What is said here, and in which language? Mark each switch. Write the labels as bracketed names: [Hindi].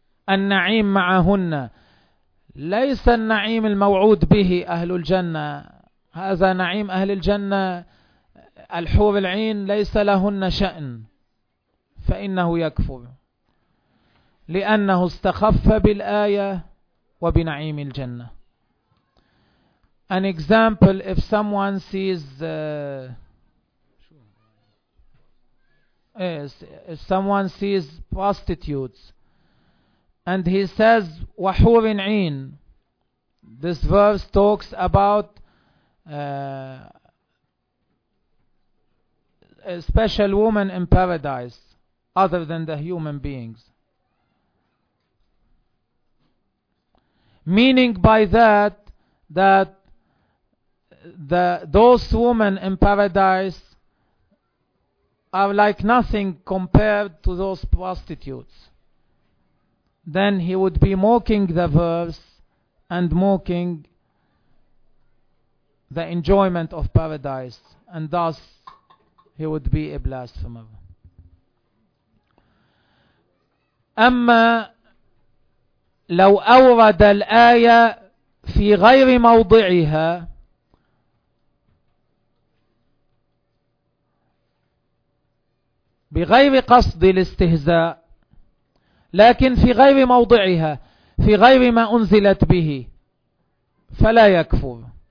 [Arabic] النعيم معهن ليس النعيم الموعود به أهل الجنة هذا نعيم أهل الجنة الحور العين ليس لهن شأن فإنه يكفر لأنه استخف بالآية وبنعيم الجنة. [English] An example, if someone sees if someone sees prostitutes and he says [Arabic] وَحُورٍ عِين, [English] this verse talks about a special woman in paradise other than the human beings, meaning by that those women in paradise are like nothing compared to those prostitutes, then he would be mocking the verse and mocking the enjoyment of paradise, and thus he would be a blasphemer. [Arabic] أما لو أورد الآية في غير موضعها بغير قصد الاستهزاء لكن في غير موضعها في غير ما أنزلت به فلا يكفر.